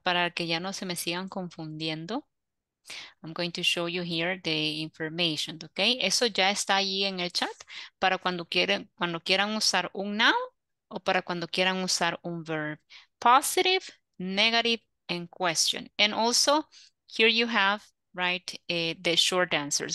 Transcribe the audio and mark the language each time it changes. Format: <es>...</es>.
<es>Para que ya no se me sigan confundiendo.</es> <en>I'm going to show you here the information, okay?</en> <es>Eso ya está ahí en el chat para cuando quieran usar un noun o para cuando quieran usar un verb.</es> <en>Positive, negative, and question. And also, here you have, right, the short answers.</en>